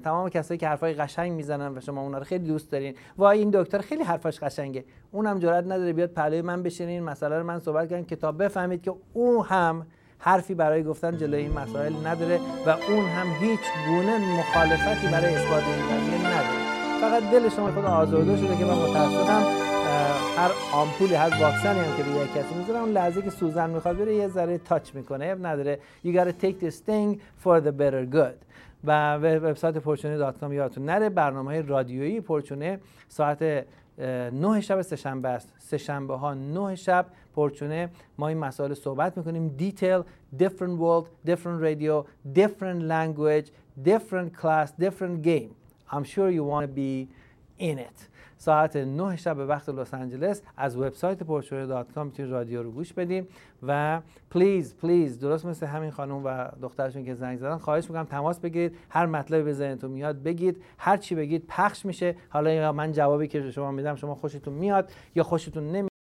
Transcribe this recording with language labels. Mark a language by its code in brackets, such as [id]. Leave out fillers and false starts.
[fa] تمام کسایی که حرفای قشنگ میزنن و شما اونا رو خیلی دوست دارین، وای این دکتر خیلی حرفاش قشنگه، اونم جرأت نداره بیاد پلوی من بشینه این مسئله رو من صحبت کنم، که تا بفهمید که اون هم حرفی برای گفتن جلوی این مسائل نداره و اون هم هیچ گونه مخالفتی برای اثبات این قضیه نداره. فقط دل شما خود آزرده شده که من متاسفم هر آمپولی هست واکسنی هم که به یک کسی میذارم اون لحظه که سوزن میخواد بره یه ذره تاچ میکنه، اب نداره. [en] You gotta take this thing for the better good. [fa] و وبسایت porchune.com یادتون نره. برنامه های رادیویی پرچونه ساعت 9 شب سه‌شنبه است، سه‌شنبه ها 9 شب پرچونه ما این مسائل صحبت میکنیم. [en] Detail, different world, different radio, different language, different class, different game. I'm sure you wanna be [fa] اینت ساعت 9 شب به وقت لس آنجلس از وبسایت porchoy.com میتونید رادیو رو گوش بدیم و [en] please please [fa] درست مثل همین خانم و دخترشون که زنگ زدن خواهش میکنم تماس بگیرید، هر مطلبی بزنیدتون میاد بگید، هر چی بگید پخش میشه. حالا من جوابی که شما میدم شما خوشتون میاد یا خوشتون نمیاد.